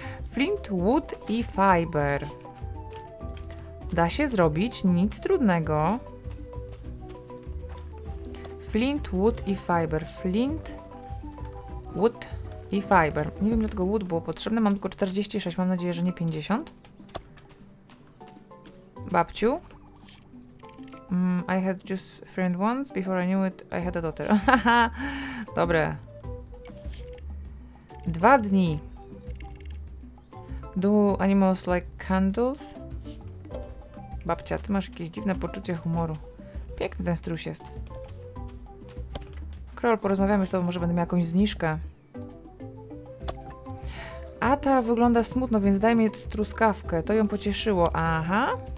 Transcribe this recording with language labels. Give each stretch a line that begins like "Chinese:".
Polish: Flint, wood i fiber. Da się zrobić, nic trudnego. Flint, wood i fiber. Flint, wood i fiber. Nie wiem, dlaczego wood było potrzebne. Mam tylko 46, mam nadzieję, że nie 50. Babciu.
English: I had just a friend once, before I knew it, I had a daughter.
Polish: Dobre. Dwa dni.
English: Do animals like candles?
Polish: Babcia, ty masz jakieś dziwne poczucie humoru. Piękny ten strus jest. Król, porozmawiamy z tobą, może będę miał jakąś zniżkę. Ata wygląda smutno, więc daj mi truskawkę. To ją pocieszyło. Aha.